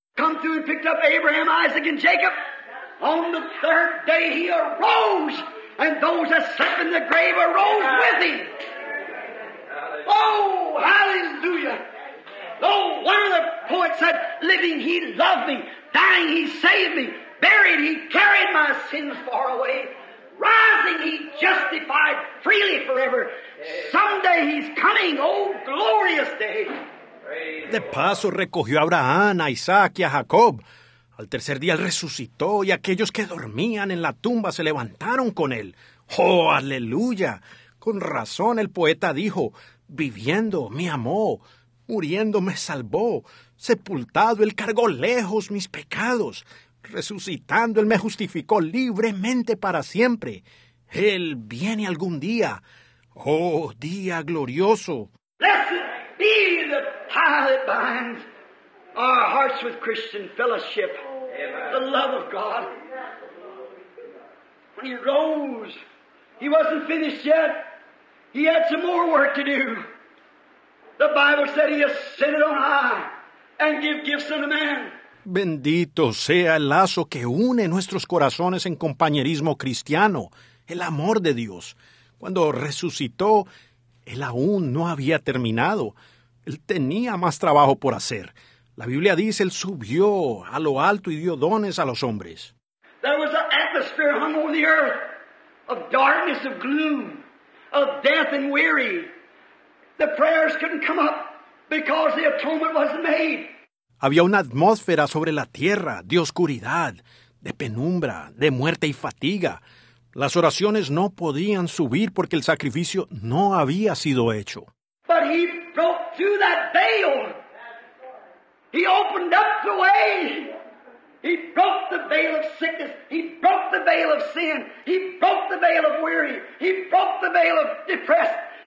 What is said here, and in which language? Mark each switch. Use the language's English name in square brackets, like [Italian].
[English] Come through and picked up Abraham, Isaac, and Jacob. On the third day he arose, and those that slept in the grave arose with him. Oh, hallelujah. Oh, one of the poets said, living he loved me, dying he saved me, buried he carried my sins far away, rising he justified freely forever. Someday he's coming, oh, glorious day. [Spanish] De paso recogió a Abraham, a Isaac y a Jacob. Al tercer día él resucitó y aquellos que dormían en la tumba se levantaron con él. Oh, aleluya. Con razón el poeta dijo, viviendo me amó, muriendo me salvó, sepultado él cargó lejos mis pecados, resucitando él me justificó libremente para siempre. Él viene algún día, oh día glorioso. [English] Blessed be the tie that binds our hearts with Christian fellowship, the love of God. When he rose, he wasn't finished yet. He had some more work to do. The Bible said he ascended on high and give gifts unto man. [Spanish] Bendito sea el lazo que une nuestros corazones en compañerismo cristiano, el amor de Dios. Cuando resucitó, él aún no había terminado. Él tenía más trabajo por hacer. La Biblia dice, él subió a lo alto y dio dones a los hombres. [English] There was an atmosphere hung over the earth of darkness, of gloom, of death and weary. The prayers couldn't come up because the atonement wasn't made. [Spanish] Había una atmósfera sobre la tierra de oscuridad, de penumbra, de muerte y fatiga. Las oraciones no podían subir porque el sacrificio no había sido hecho. [English] But he broke through that veil. He opened up the way. He broke the veil of sickness. He broke the veil of sin. He broke the veil of weary. He broke the veil of depressed.